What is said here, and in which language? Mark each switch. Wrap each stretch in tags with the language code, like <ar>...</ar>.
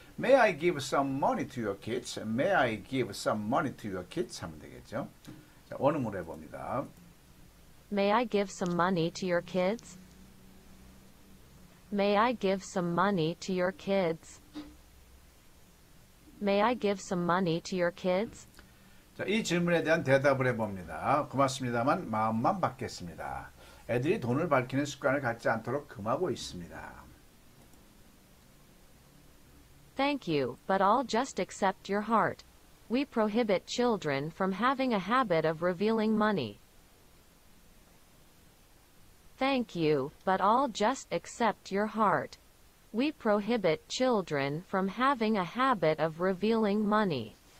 <en>May I give some money to your kids? May I give some money to your kids</en> <ko>하면 되겠죠.</ko> <en>자, 원음으로 해 봅니다. May I give some money to your kids? May I give some money to your kids? May I give some money to your kids?</en> <ko>자, 이 질문에 대한 대답을 해봅니다. 고맙습니다만 마음만 받겠습니다. 애들이 돈을 밝히는 습관을 갖지 않도록 금하고 있습니다.</ko> <en>Thank you, but I'll just accept your heart. We prohibit children from having a habit of revealing money. Thank you, but I'll just accept your heart. We prohibit children from having a habit of revealing money.</en>